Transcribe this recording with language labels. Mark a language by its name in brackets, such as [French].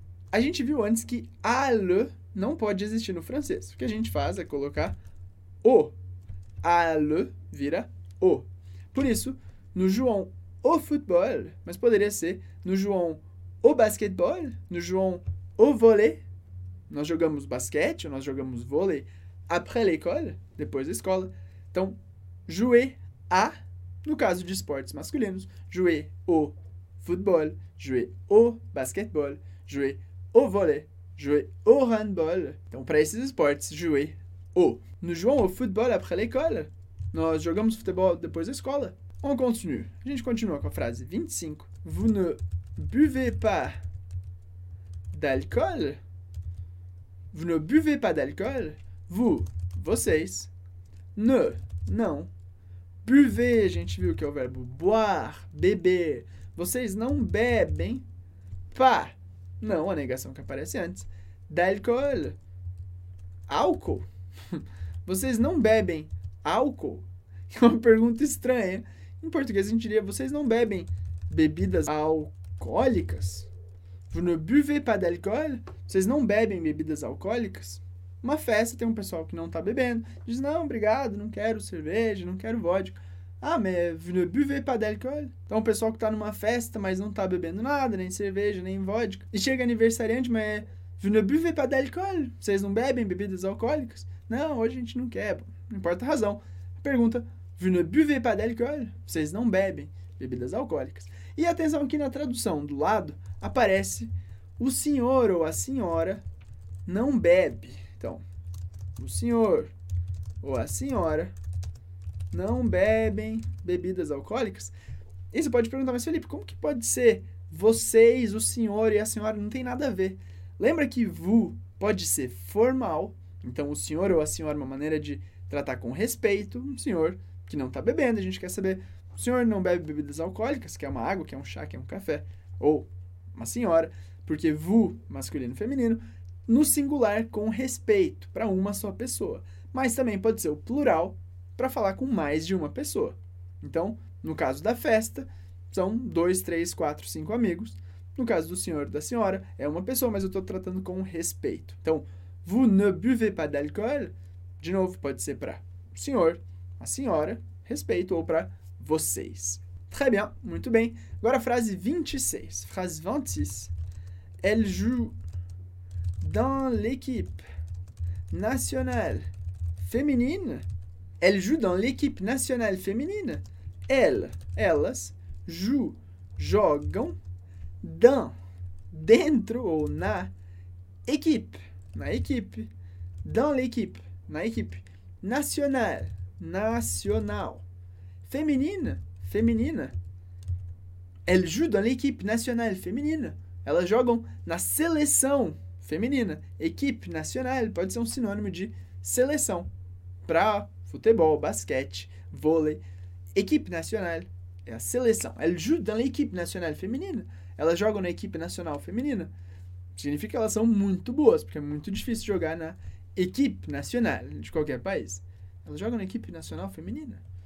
[Portuguese] A gente viu antes que a le não pode existir no francês. O que a gente faz é colocar o. A le vira o. [French] Por isso, nous jouons au football, [Portuguese] mas poderia ser [French] nous jouons au basketball, nous jouons au volley. [Portuguese] Nós jogamos basquete, nós jogamos volley [French] après l'école, [Portuguese] depois da escola. [French] Então, jouer à, [Portuguese] no caso de esportes masculinos, [French] jouer au football, jouer au basketball, jouer au volley, jouer au handball. [Portuguese] Então, para esses esportes, jouer au. [French] Nous jouons au football après l'école. [Portuguese] Nós jogamos futebol depois da escola. [French] On continue. [Portuguese] A gente continua com a frase 25. [French] Vous ne buvez pas d'alcool? Vous ne buvez pas d'alcool? [Portuguese] Vous, vocês, ne, não. Buvez, a gente viu que é o verbo boire, beber. Vocês não bebem. Pas, não, a negação que aparece antes. D'alcool, álcool. Vocês não bebem álcool? É uma pergunta estranha. Em português a gente diria, vocês não bebem bebidas alcoólicas? [French] Vous ne buvez pas d'alcool? [Portuguese] Vocês não bebem bebidas alcoólicas? Uma festa, tem um pessoal que não tá bebendo. Diz, não, obrigado, não quero cerveja, não quero vodka. [French] Ah, mais vous ne buvez pas d'alcool? [Portuguese] Então, o pessoal que tá numa festa, mas não tá bebendo nada, nem cerveja, nem vodka. E chega aniversariante, mas Não [French] buvez pas d'alcool? [Portuguese] Vocês não bebem bebidas alcoólicas? Não, hoje a gente não quer. Não importa a razão. Pergunta: [French] Vous ne buvez pas d'alcool? [Portuguese] Vocês não bebem bebidas alcoólicas. E atenção que na tradução do lado aparece: O senhor ou a senhora não bebe. Então, o senhor ou a senhora não bebem bebidas alcoólicas. E você pode perguntar: Mas Felipe, como que pode ser vocês, o senhor e a senhora? Não tem nada a ver. Lembra que vous pode ser formal. Então, o senhor ou a senhora é uma maneira de tratar com respeito um senhor que não está bebendo. A gente quer saber: o senhor não bebe bebidas alcoólicas, que é uma água, que é um chá, que é um café, ou uma senhora, porque vous, masculino e feminino, no singular com respeito para uma só pessoa. Mas também pode ser o plural para falar com mais de uma pessoa. Então, no caso da festa, são dois, três, quatro, cinco amigos. No caso do senhor ou da senhora, é uma pessoa, mas eu estou tratando com respeito. Então, [French] vous ne buvez pas d'alcool? [Portuguese] De novo, pode ser para o senhor, a senhora, respeito, ou para vocês. [French] Très bien, [Portuguese] muito bem. Agora a frase 26. Frase 26. [French] Elle joue dans l'équipe nationale féminine. Elle joue dans l'équipe nationale féminine. [Portuguese] Elas jogam dentro ou na equipe. Na equipe. Dans l'équipe. Na equipe. Nationale. Nacional. Feminina. Feminina. [French] Elle joue dans l'équipe nationale féminine. [Portuguese] Elas jogam na seleção feminina. Equipe nationale pode ser um sinônimo de seleção para futebol, basquete, vôlei. Equipe nationale é a seleção. [French] Elle joue dans l'équipe nationale féminine. [Portuguese] Elas jogam na equipe nacional feminina. Significa que elas são muito boas, porque é muito difícil jogar na [French] équipe nationale [Portuguese] de qualquer país. Elas jogam na equipe nacional feminina.